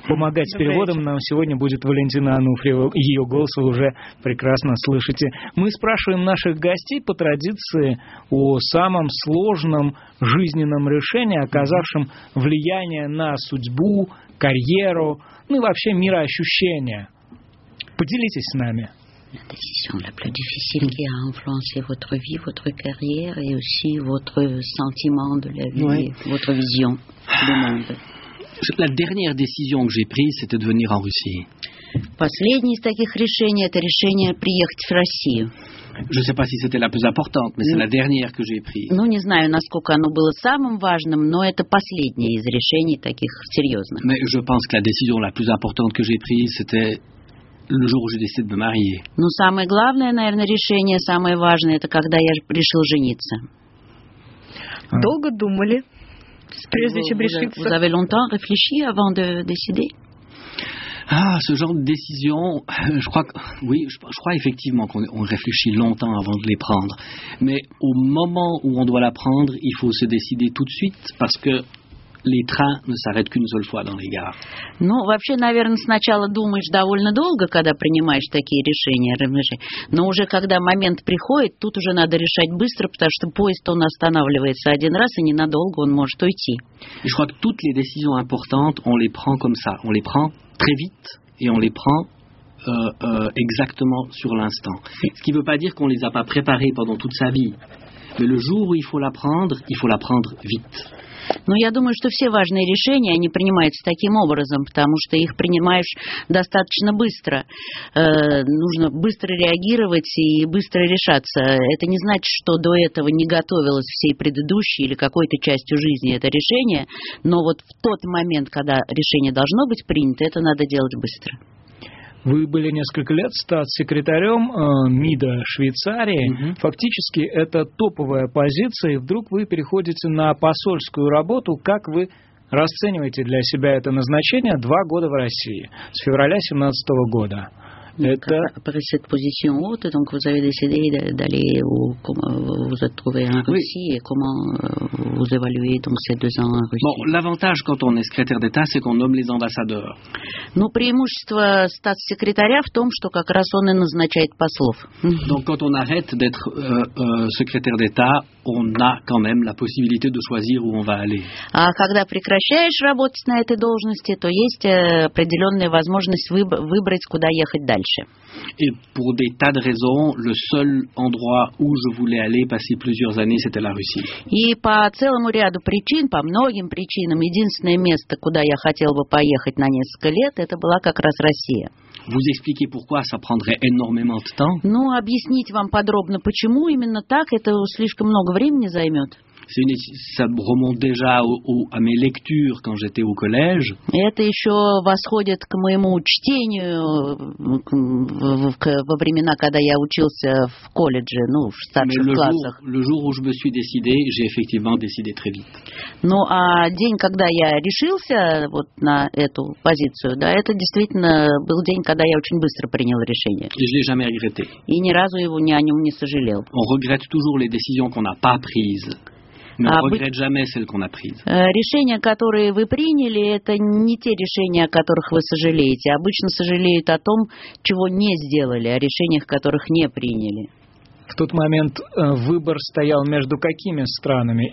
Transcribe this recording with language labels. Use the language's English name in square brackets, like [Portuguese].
[Russian] Помогать с переводом нам сегодня будет Валентина Ануфриева. Ее голос вы уже прекрасно слышите. Мы спрашиваем наших гостей по традиции о самом сложном жизненном решении, оказавшем влияние на судьбу, карьеру, ну и вообще мироощущение. Поделитесь с нами. [French] La décision la plus difficile qui a influencé votre vie, votre carrière et aussi votre sentiment de la vie, ouais. Votre vision du monde. La dernière décision que j'ai prise, c'était de venir en Russie. [Russian] Последнее из таких решений, это решение приехать в Россию. [French] Je ne sais pas si c'était la plus importante, mais c'est la dernière que j'ai prise. [Russian] Ну, не знаю, насколько оно было самым важным, но это последнее из решений таких серьезных. [French] Mais je pense que la décision la plus importante que j'ai prise, c'était le jour où je décide de me marier. [Russian] Ну, самое главное, наверное, решение, самое важное, это когда я решил жениться. Долго думали, прежде чем решиться. [French] Vous avez longtemps réfléchi avant de décider? Ah, ce genre de décision, je crois que, oui, je crois effectivement qu'on réfléchit longtemps avant de les prendre. Mais au moment où on doit la prendre, il faut se décider tout de suite parce que les trains ne s'arrêtent qu'une seule fois dans les gares. [Russian] Ну, вообще, наверное, сначала думаешь довольно долго, когда принимаешь такие решения. Но уже когда момент приходит, тут уже надо решать быстро, потому что поезд, он останавливается один раз, и ненадолго он может уйти. [French] Je crois que toutes les décisions importantes, on les prend comme ça. On les prend très vite et on les prend exactement sur l'instant. Ce qui ne veut pas dire qu'on ne les a pas préparées pendant toute sa vie. Mais le jour où il faut la prendre vite. [Russian] Ну, я думаю, что все важные решения, они принимаются таким образом, потому что их принимаешь достаточно быстро. Нужно быстро реагировать и быстро решаться. Это не значит, что до этого не готовилось всей предыдущей или какой-то частью жизни это решение, но вот в тот момент, когда решение должно быть принято, это надо делать быстро. Вы были несколько лет статс-секретарем МИДа Швейцарии. Mm-hmm. Фактически, это топовая позиция. И вдруг вы переходите на посольскую работу. Как вы расцениваете для себя это назначение? 2 года в России. С февраля 2017 года. Это... [French] Par cette position haute, donc vous avez décidé d'aller où vous êtes trouvé en Russie. Et comment vous évaluez donc ces 2 ans en Russie? Bon, l'avantage quand on est secrétaire d'État, c'est qu'on nomme les ambassadeurs. [Russian] Ну, преимущество статс-секретаря в том, что как раз он и назначает послов. [French] Donc quand on arrête d'être secrétaire d'État, on a quand même la possibilité de choisir où on va aller. [Russian] А когда прекращаешь работать на этой должности, то есть определенная возможность выбрать, куда ехать дальше. [French] Et pour des tas de raisons, le seul endroit où je voulais aller passer plusieurs années, c'était la Russie. [Russian] И по целому ряду причин, по многим причинам, единственное место, куда я хотел бы поехать на несколько лет, это была как раз Россия. [French] Vous expliquez pourquoi ça prendrait énormément de temps? [Russian] Ну, объяснить вам подробно, почему именно так, это слишком много времени займет. [French] Ça remonte déjà à mes lectures quand j'étais au collège. [Russian] Это еще восходит к моему чтению во времена, когда я учился в колледже, ну, в старших классах. [French] Le jour où je me suis décidé, j'ai effectivement décidé très vite. [Russian] Ну, а день, когда я решился вот на эту позицию, да, это действительно был день, когда я очень быстро принял решение. [French] Je l'ai jamais regretté. [Russian] И ни разу его ни о нем не сожалел. [French] On regrette toujours les décisions qu'on n'a pas prises. [Russian] Решения, которые вы приняли, это не те решения, о которых вы сожалеете. Обычно сожалеют о том, чего не сделали, о решениях, которых не приняли. В тот момент выбор стоял между какими странами?